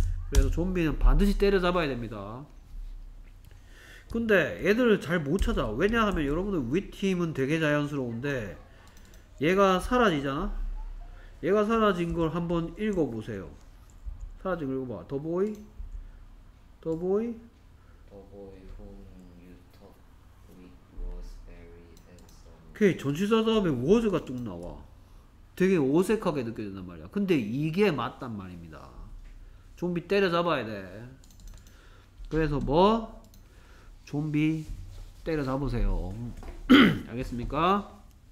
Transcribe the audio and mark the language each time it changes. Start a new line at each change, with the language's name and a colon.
Korean: 그래서 좀비는 반드시 때려잡아야 됩니다. 근데 애들을 잘 못 찾아. 왜냐하면 여러분들 윗팀은 되게 자연스러운데 얘가 사라지잖아? 얘가 사라진 걸 한번 읽어보세요. 사라진 걸 읽어봐.
English: The boy? The boy? The boy whom you talked with was very handsome.
Korean: 오케이, 전치사 다음에 was가 뚝 나와. 되게 어색하게 느껴진단 말이야. 근데 이게 맞단 말입니다. 좀비 때려잡아야 돼. 그래서 뭐? 좀비 때려잡으세요. 알겠습니까?